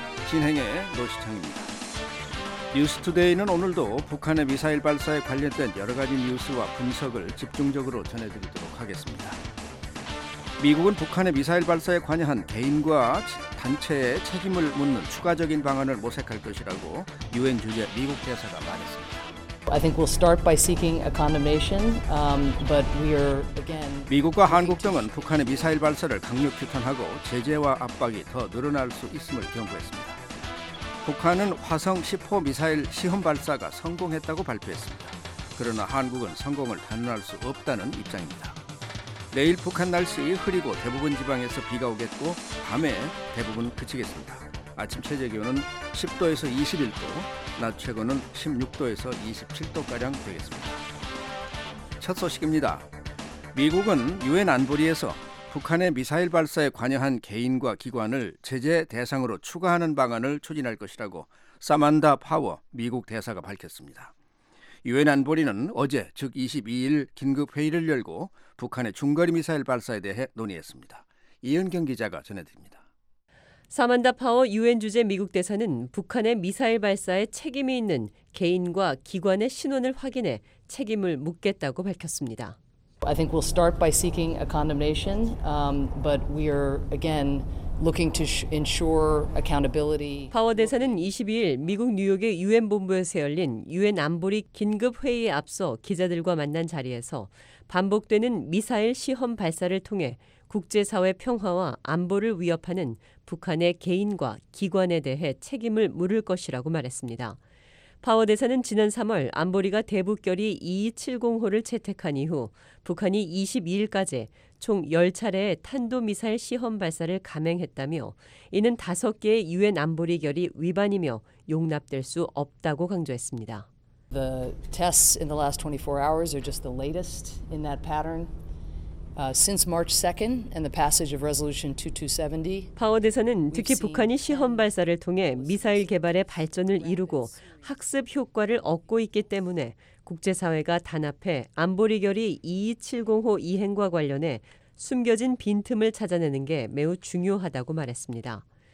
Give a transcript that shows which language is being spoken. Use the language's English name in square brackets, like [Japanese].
[Korean] 진행의 노시창입니다. 뉴스투데이는 오늘도 북한의 미사일 발사에 관련된 여러 가지 뉴스와 분석을 집중적으로 전해드리도록 하겠습니다. 미국은 북한의 미사일 발사에 관여한 개인과 단체의 책임을 묻는 추가적인 방안을 모색할 것이라고 유엔 주재 미국 대사가 말했습니다. [English] I think we'll start by seeking a condemnation, but we are again. [Korean] 미국과 한국 등은 북한의 미사일 발사를 강력 규탄하고 제재와 압박이 더 늘어날 수 있음을 경고했습니다. 북한은 화성 10호 미사일 시험 발사가 성공했다고 발표했습니다. 그러나 한국은 성공을 단언할 수 없다는 입장입니다. 내일 북한 날씨 흐리고 대부분 지방에서 비가 오겠고 밤에 대부분 그치겠습니다. 아침 최저 기온은 10도에서 21도, 낮 최고는 16도에서 27도가량 되겠습니다. 첫 소식입니다. 미국은 유엔 안보리에서 북한의 미사일 발사에 관여한 개인과 기관을 제재 대상으로 추가하는 방안을 추진할 것이라고 사만다 파워 미국 대사가 밝혔습니다. 유엔 안보리는 어제 즉 22일 긴급 회의를 열고 북한의 중거리 미사일 발사에 대해 논의했습니다. 이은경 기자가 전해드립니다. 사만다 파워 유엔 주재 미국 대사는 북한의 미사일 발사에 책임이 있는 개인과 기관의 신원을 확인해 책임을 묻겠다고 밝혔습니다. [English] I think we'll start by seeking a condemnation, but we are again looking to ensure accountability. [Korean] 파워 대사는 22일 미국 뉴욕의 유엔 본부에서 열린 유엔 안보리 긴급 회의에 앞서 기자들과 만난 자리에서 반복되는 미사일 시험 발사를 통해 국제사회 평화와 안보를 위협하는 북한의 개인과 기관에 대해 책임을 물을 것이라고 말했습니다. 파워 대사는 지난 3월 안보리가 대북결의 2270호를 채택한 이후 북한이 22일까지 총 10차례의 탄도미사일 시험 발사를 감행했다며 이는 5개의 유엔 안보리 결의 위반이며 용납될 수 없다고 강조했습니다. [English] The tests in the last 24 hours are just the latest in that pattern. Since March 2nd and the passage of Resolution 2270, [Korean] 파워 대사는 특히 북한이 시험 발사를 통해 미사일 개발의 발전을 이루고 학습 효과를 얻고 있기 때문에 국제사회가 단합해 안보리 결의 2270호 이행과 관련해 숨겨진 빈틈을 찾아내는 게 매우 중요하다고 말했습니다.